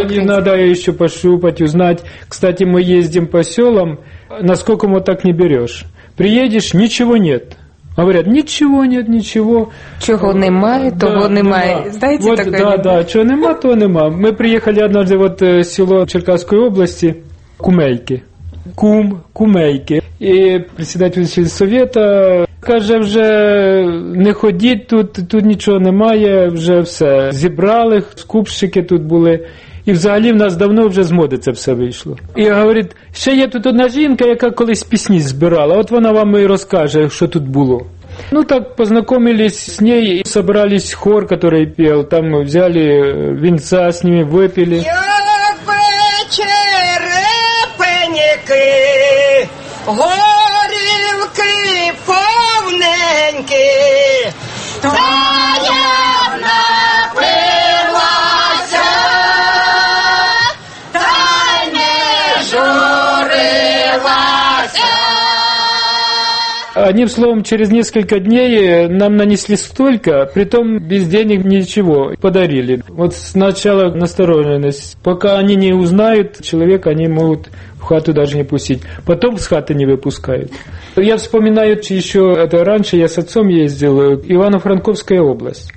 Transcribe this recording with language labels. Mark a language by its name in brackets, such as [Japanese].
[Russian] Мне надо еще пощупать, узнать. Кстати, мы ездим по селам, насколько мы так не берешь. Приедешь, ничего нет. Говорят, ничего нет, ничего. [Ukrainian] Чего немає, того немає. Знаете, [Russian] вот, такое? Да, чего нема, того нема. Мы приехали однажды вот в село Черкасской области, Кумейки. Кумейки. И председатель совета [Ukrainian] каже, вже не ходіть тут нічого немає, вже все. Зібрали, скупщики тут були. І взагалі в нас давно вже з моди це все вийшло. І говорить, ще є тут одна жінка, яка колись пісні збирала. От вона вам і розкаже, що тут було. Ну так, познайомились з нею і зібрались хор, який пів. Там взяли вінця з ними, випили. Як вечерепеньки, горілки повненькі, та я напилася, та не журилася. [Russian] Одним словом, через несколько дней нам нанесли столько, притом без денег ничего, подарили. Вот сначала настороженность. Пока они не узнают человека, они могут в хату даже не пустить. Потом с хаты не выпускают. Я вспоминаю, еще это раньше я с отцом ездил, Ивано-Франковская область.